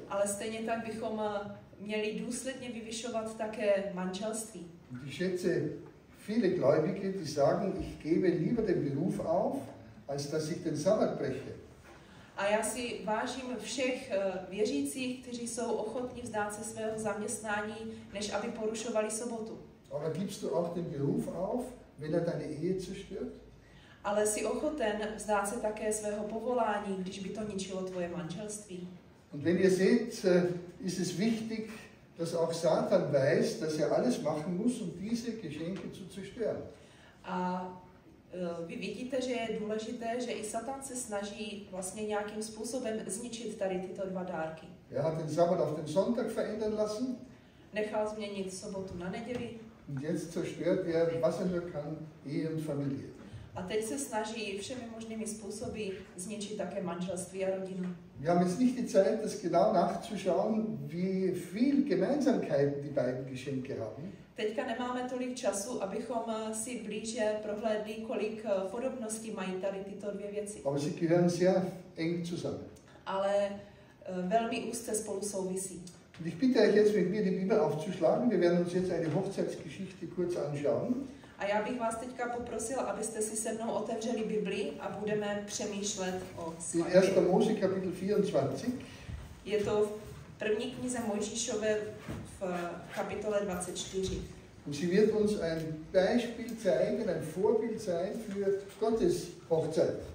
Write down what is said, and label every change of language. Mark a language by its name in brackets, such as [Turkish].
[Czech] Ale stejně tak bychom měli důsledně vyvyšovat také manželství. [German] Und ich schätze viele Gläubige, die sagen, ich gebe lieber den Beruf auf, als dass ich den Sabbat breche. [Czech] A já si vážím všech věřících, kteří jsou ochotní vzdát se svého zaměstnání, než aby porušovali sobotu. [German] Aber gibst du auch den Beruf auf, wenn er deine Ehe zerstört? [Czech] Ale si ochoten vzdát se také svého povolání, když by to ničilo tvoje manželství. [German] Und wenn ihr seht, ist es wichtig, dass auch Satan weiß, dass er alles machen muss, um diese Geschenke zu zerstören. [Czech] Vy vidíte, že je důležité, že i Satan se snaží vlastně nějakým způsobem zničit tady tyto dva dárky. [German] Er hat den Sabbat auf den Sonntag verändern lassen. [Czech] Nechal změnit sobotu na neděli. [German] Und jetzt zerstört was er nur kann, Ehe und Familie. [Czech] A teď se snaží všemi možnými způsoby zničit také manželství a rodinu. [German] Wir haben jetzt nicht die Zeit, das genau nachzuschauen, wie viel Gemeinsamkeit die beiden Geschenke haben. [Czech] Teďka nemáme tolik času, abychom si blíže prohlédli, kolik podobností mají tady tyto dvě věci. [German] Aber sie gehören sehr eng zusammen. [Czech] Ale velmi úzce spolu souvisí. [German] Und ich bitte euch jetzt mit mir die Bibel aufzuschlagen. Wir werden uns jetzt eine Hochzeitsgeschichte kurz anschauen. [Czech] A já bych vás teďka poprosil, abyste si se mnou otevřeli Bibli a budeme přemýšlet o svatbě. [German] In 1. Mose kapitel 24. [Czech] Je to první knize Mojžíšové v kapitole 24. [German] Und sie wird uns ein Beispiel zeigen, ein Vorbild sein für Gottes Hochzeit.